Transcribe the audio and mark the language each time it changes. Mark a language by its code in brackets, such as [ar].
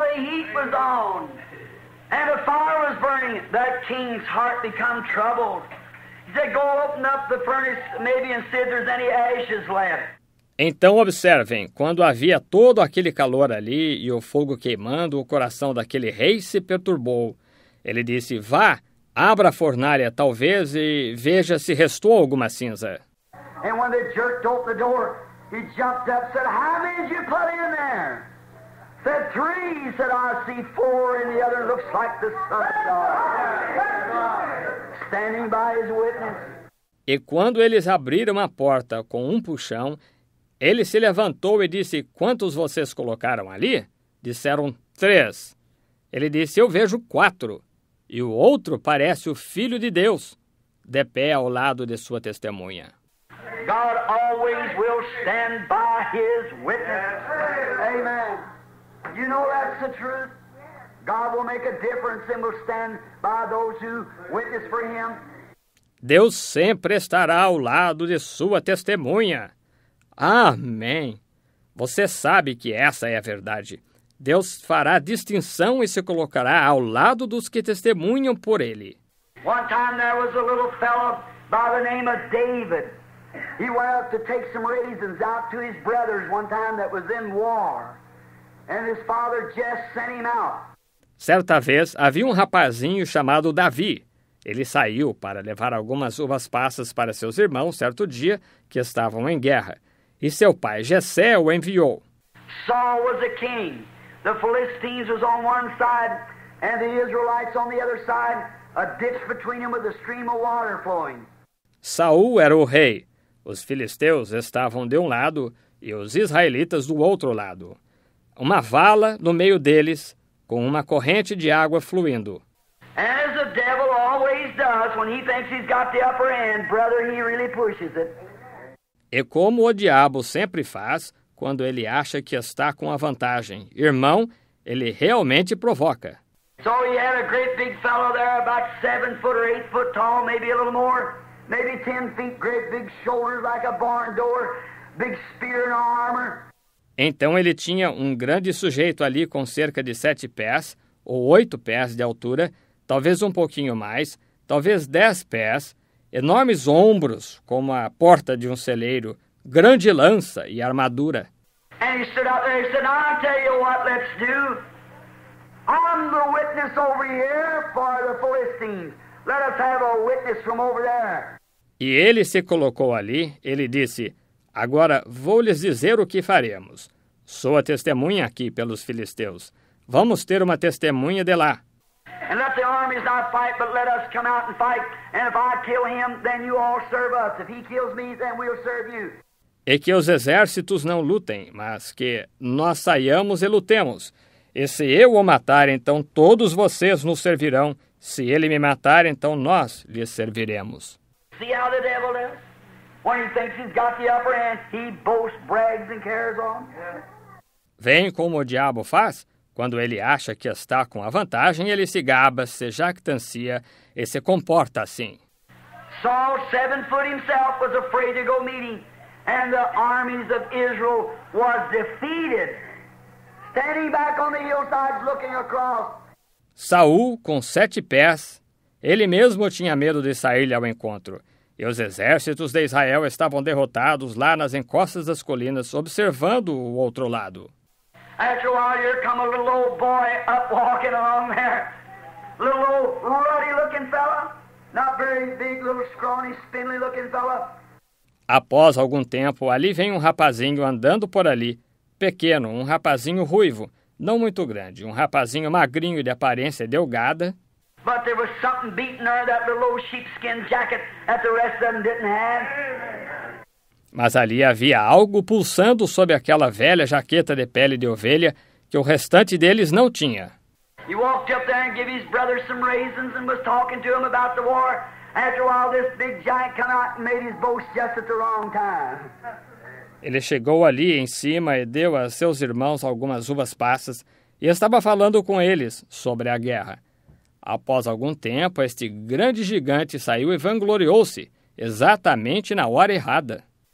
[en] heat was on, and the fire was burning, that king's heart became troubled. He said, go open up the furnace maybe and see if there's any ashes left. [pt] Então observem, quando havia todo aquele calor ali e o fogo queimando, o coração daquele rei se perturbou. Ele disse, vá, abra a fornalha talvez e veja se restou alguma cinza. [en] And when they jerked open the door, he jumped up and said, how many did you put in there? Said, three. He said, I see four and the other looks like the sun of God. Standing by his witness. [pt] E quando eles abriram a porta com um puxão, ele se levantou e disse, quantos vocês colocaram ali? Disseram, três. Ele disse, eu vejo quatro. E o outro parece o Filho de Deus, de pé ao lado de sua testemunha. [en] God always will stand by his witness. Amen. You know that's the truth? God will make a difference and will stand by those who witness for him. [pt] Deus sempre estará ao lado de sua testemunha. Amém. Você sabe que essa é a verdade. Deus fará distinção e se colocará ao lado dos que testemunham por ele. [en] One time there was a little fellow by the name of David. He went up to take some raisins out to his brothers one time that was in war. And his father just sent him out. [pt] Certa vez, havia um rapazinho chamado Davi. Ele saiu para levar algumas uvas passas para seus irmãos certo dia que estavam em guerra. E seu pai Jessé o enviou. [en] Saul was a king. The Philistines was on one side and the Israelites on the other side, a ditch between them with a stream of water flowing. [pt] Saul era o rei. Os filisteus estavam de um lado e os israelitas do outro lado. Uma vala no meio deles com uma corrente de água fluindo. [en] As the devil always does when he thinks he's got the upper hand, brother, he really pushes it. [pt] E como o diabo sempre faz, quando ele acha que está com a vantagem, irmão, ele realmente provoca. [en] So he had a great big fellow there, about 7 foot or 8 foot tall, maybe a little more, maybe 10 feet, great big shoulders like a barn door, big spear and armor. [pt] Então ele tinha um grande sujeito ali com cerca de 7 pés, ou 8 pés de altura, talvez um pouquinho mais, talvez 10 pés, enormes ombros, como a porta de um celeiro, grande lança e armadura. [en] And he stood up there and said, I'll tell you what let's do. I'm the witness over here for the Philistines. Let us have a witness from over there. [pt] E ele se colocou ali, ele disse, agora vou lhes dizer o que faremos. Sou a testemunha aqui pelos filisteus. Vamos ter uma testemunha de lá. [en] And let the armies not fight, but let us come out and fight. And if I kill him, then you all serve us. If he kills me, then we'll serve you. [pt] E que os exércitos não lutem, mas que nós saiamos e lutemos. E se eu o matar, então todos vocês nos servirão. Se ele me matar, então nós lhe serviremos. [en] See how the devil is? When he thinks he's got the upper hand, he boasts, brags and carries on. [pt] Vem como o diabo faz? Quando ele acha que está com a vantagem, ele se gaba, se jactancia e se comporta assim. [en] Saul, 7 foot himself, was afraid to go meeting, and the armies of Israel was defeated, standing back on the hillsides looking across. [pt] Saul, com 7 pés, ele mesmo tinha medo de sair-lhe ao encontro, e os exércitos de Israel estavam derrotados lá nas encostas das colinas, observando o outro lado. [en] After a while, here come a little old boy up walking along there. Little old ruddy-looking fella. Not very big, little scrawny, spindly-looking fella. [pt] Após algum tempo, ali vem um rapazinho andando por ali. Pequeno, um rapazinho ruivo. Não muito grande, um rapazinho magrinho de aparência delgada. [en] But there was something beating her, that little old sheepskin jacket that the rest of them didn't have. [pt] Mas ali havia algo pulsando sob aquela velha jaqueta de pele de ovelha que o restante deles não tinha. [en] He walked up there and gave his brother some raisins and was talking to him about the war. After a while, this big giant came out and made his boast just at the wrong time. [pt] Ele chegou ali em cima e deu a seus irmãos algumas uvas passas e estava falando com eles sobre a guerra. Após algum tempo, este grande gigante saiu e vangloriou-se exatamente na hora errada.